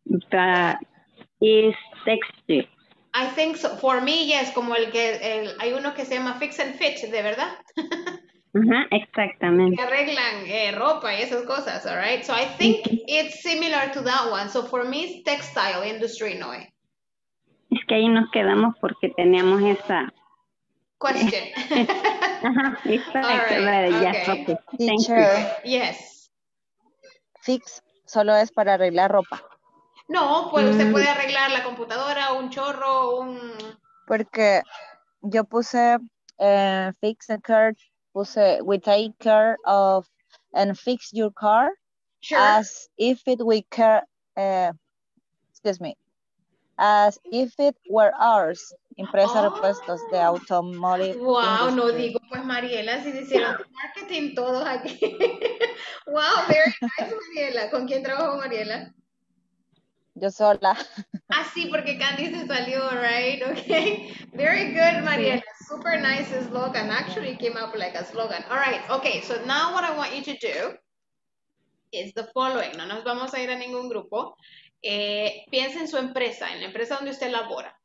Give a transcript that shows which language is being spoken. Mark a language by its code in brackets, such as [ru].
[en] But is textile. I think so. For me, yes. [es] Como el que, el, hay uno que se llama fix and fit, de verdad. Uh-huh, exactamente. Que arreglan ropa y esas cosas, [en] all right? So I think it's similar to that one. So for me, it's textile industry, Noe. [es] Es que ahí nos quedamos porque teníamos esa... [en] Question. Ajá, all right, okay. Yes, okay. Thank teacher. You. Yes. [es] Fix solo es para arreglar ropa. No, pues usted puede arreglar la computadora, un chorro, un... Porque yo puse fix and cart. [en] We take care of and fix your car. Sure. As if it were ours. [es] Empresa repuestos de automóvil. [en] Wow, industry. [es] No digo pues Mariela, si hicieron marketing todos aquí. [en] Wow, very nice Mariela. [es] ¿Con quién trabajó Mariela? Yo sola. Ah, sí, porque Candy se salió, [en] right? Okay. Very good, Mariela. Super nice slogan. Actually came up like a slogan. All right. Okay. So now what I want you to do is the following. [es] No nos vamos a ir a ningún grupo. Piensa en su empresa, en la empresa donde usted labora.